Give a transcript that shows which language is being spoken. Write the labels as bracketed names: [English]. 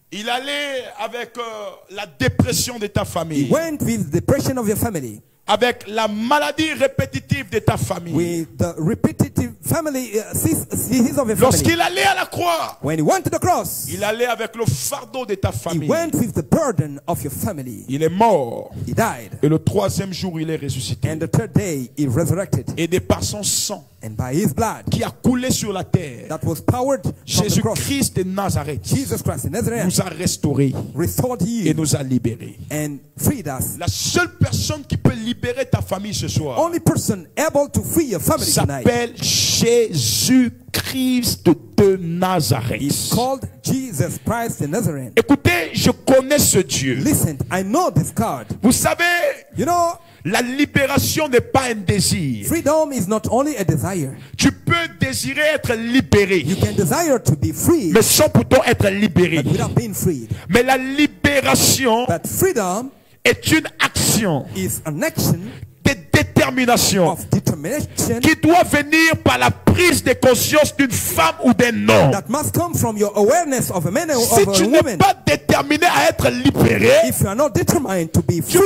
[French] il allait avec la dépression de ta famille. [English] He went with the depression of your family. [French] Avec la maladie répétitive de ta famille. [English] With the repetitive family disease of your family. [French] Lorsqu'il allait à la croix, [English] when he went to the cross, [French] il allait avec le fardeau de ta famille. [English] He went with the burden of your family. [French] Il est mort. [English] He died. [French] Et le troisième jour, il est ressuscité. [English] And the third day, he resurrected. [French] Et de par son sang, [English] and by his blood, [French] qui a coulé sur la terre, [English] that was powered [French] Jésus [English] from the [French] Christ [English] cross, [French] de Nazareth, [English] Jesus Christ in Nazareth, [French] nous a restauré, [English] restored you, [French] et nous a libéré, [English] and freed us. [French] La seule personne qui peut libérer ta famille ce soir, [English] only person able to free your family tonight, [French] s'appelle Jésus Christ de Nazareth. [English] He's called Jesus Christ the Nazarene. [French] Écoutez, je connais ce Dieu. [English] Listen, I know this God. [French] Vous savez, [English] you know, [French] la libération n'est pas un désir. [English] Freedom is not only a desire. [French] Tu peux désirer être libéré. [English] You can desire to be free. [French] Mais sans pourtant être libéré. [English] But without being freed. [French] Mais la libération, [English] but freedom [French] est une action. [English] Is an action. [French] Détermination, [English] of determination, [French] qui doit venir par la prise de conscience d'une femme ou d'un homme. [English] That must come from your awareness of a man or [French] si [English] of a [French] tu [English] woman, [French] n'es pas déterminé à être libéré, [English] if you are not determined to be free,